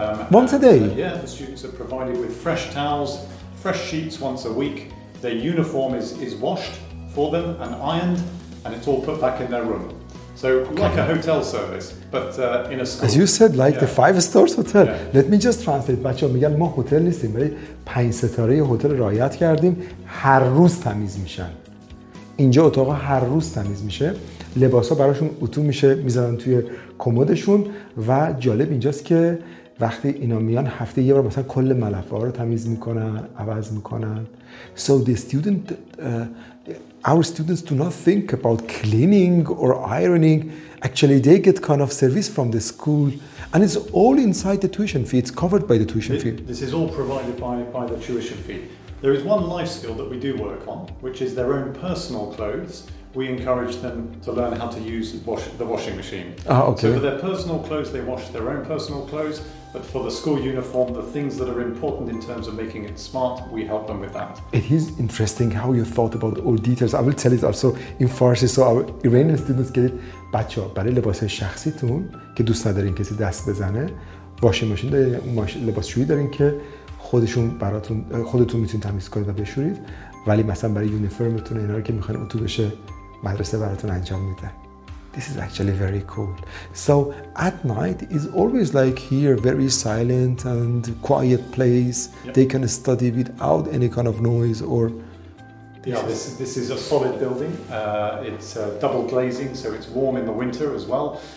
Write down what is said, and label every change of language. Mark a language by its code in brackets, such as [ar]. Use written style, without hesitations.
[en] Once a day? Yeah, the students are provided with fresh towels, fresh sheets once a week. Their uniform is washed for them and ironed, and it's all put back in their room. So, like a hotel service, but in a school. As you said, like the five-stars hotel. Yeah. Let me just translate. [fa] بچه ها میگن ما هتل نیستیم، ولی پنج ستاره هتل رعایت کردیم. هر روز تمیز میشن. اینجا اتاقا هر روز تمیز میشه، لباسا براشون اتو میشه، میزنن توی کمدشون. و جالب اینجاست که وقتی اینا میان هفته یه بار مثلا کل ملافه ها رو تمیز میکنن، عوض میکنن. [en] So the student, our students do not think about cleaning or ironing. Actually, they get kind of service from the school. And it's all inside the tuition fee. It's covered by the tuition fee. This is all provided by the tuition fee. There is one life skill that we do work on, which is their own personal clothes. We encourage them to learn how to use the washing machine. Okay. So for their personal clothes, they wash their own personal clothes. But for the school uniform, the things that are important in terms of making it smart, we help them with that. It is interesting how you thought about all details. I will tell it also in Farsi, so our Iranian students get it. [fa] بچه ها برای لباس شخصیتون که دوست ندارین کسی دست بزنه، [en] washing machine [fa] دارین، لباس شویی دارین که خودشون براتون خودتون میتونید تمیز کنید و بشورید، ولی مثلا برای یونیفرمتون اینا رو که میخواین اتو بشه مدرسه براتون انجام میده. [en] This is actually very cool. So at night is always like here very silent and quiet place. Yep. They can study without any kind of noise or This is a solid building. It's double glazing, so it's warm in the winter as well.